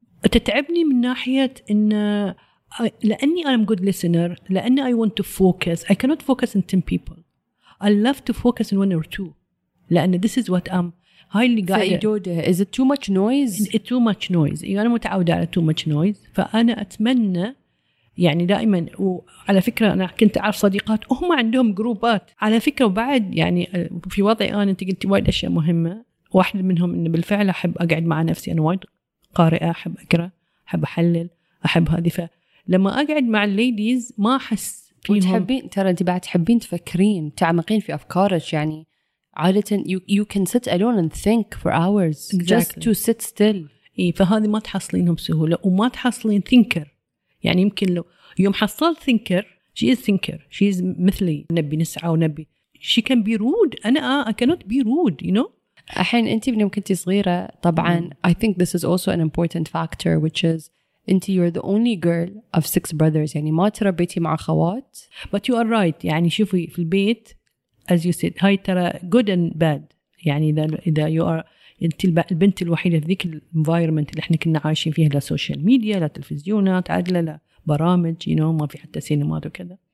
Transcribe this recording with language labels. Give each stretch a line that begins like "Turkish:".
Arabic: تتعبني من ناحية إن لأني
English: I'm good listener,
Arabic: لأني
English: I want to focus. I cannot focus on 10 people. I love to focus on 1 or 2.
Arabic: لأن
English: this is what I'm.
Arabic: هاي اللي قاعدة.
English: Is it too much noise? It's too much noise.
Arabic: أنا متعودة على
English: too much noise.
Arabic: فأنا أتمنى يعني دائما. وعلى فكرة أنا كنت أعرف صديقات وهم عندهم جروبات على فكرة. وبعد يعني في وضعي أنا أنت قلت وايد أشياء مهمة. واحد منهم إن بالفعل أحب أقعد مع نفسي. أنا وايد قارئة, أحب أقرأ, أحب أحلل, أحب هذه. ف لما أقعد مع الليديز ما أحس فيهم. وتحبين ترى أنت بعد تحبين تفكرين تعمقين في أفكارك. يعني عادة
English: you can sit alone and think for hours. Exactly. Just to sit still.
Arabic: إيه فهذه ما تحصلينهم سهولة وما تحصلين thinker. يعني يمكن لو يوم حصلت thinker
English: she is thinker, she is
Arabic: مثلي, نبي نسعى ونبي
English: she can be rude.
Arabic: أنا
English: I cannot be rude, you know.
Arabic: الحين أنت بني كنتي صغيرة طبعا.
English: I think this is also an important factor, which is
Arabic: أنت
English: you're the only girl of 6 brothers.
Arabic: يعني ما تربيتي مع خوات.
English: But you are right.
Arabic: يعني شوفي في البيت
English: as you said
Arabic: هاي ترى
English: good and bad.
Arabic: يعني إذا you are أنت البنت الوحيدة في ذيك الانفايرمنت اللي احنا كنا عايشين فيها, لا سوشيال ميديا لا تلفزيونات عدلة لا برامج,
English: you know,
Arabic: ما في حتى سينمات وكذا.